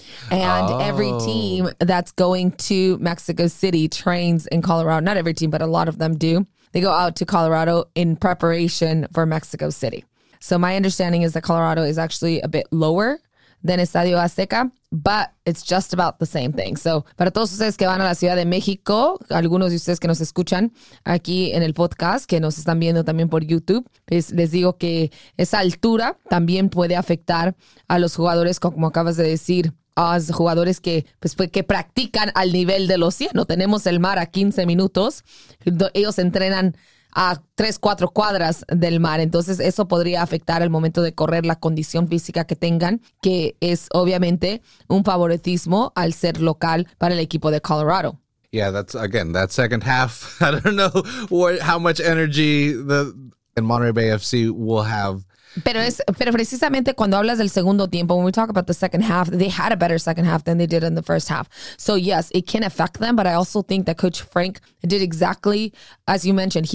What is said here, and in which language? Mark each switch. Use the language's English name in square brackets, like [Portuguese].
[English] And every team that's going to Mexico City trains in Colorado. Not every team, but a lot of them do. They go out to Colorado in preparation for Mexico City. So my understanding is that Colorado is actually a bit lower than Estadio Azteca, but it's just about the same thing. [Spanish] So para todos ustedes que van a la Ciudad de México, algunos de ustedes que nos escuchan aquí en el podcast, que nos están viendo también por YouTube, les digo que esa altura también puede afectar a los jugadores, como acabas de decir, a los jugadores que practican al nivel del océano. Tenemos el mar a 15 minutos. Ellos entrenan a 3-4 cuadras del mar. Entonces, eso podría afectar al momento de correr, la condición física que tengan, que es obviamente un favoritismo al ser local para el equipo de Colorado. [English] Yeah, that's, again, that second half, I don't know how much energy the Monterey Bay FC will have. [Spanish] Pero precisamente cuando hablas del segundo tiempo, [English] when we talk about the second half, they had a better second half than they did in the first half. So yes, it can affect them, but I also think that Coach Frank did exactly as you mentioned.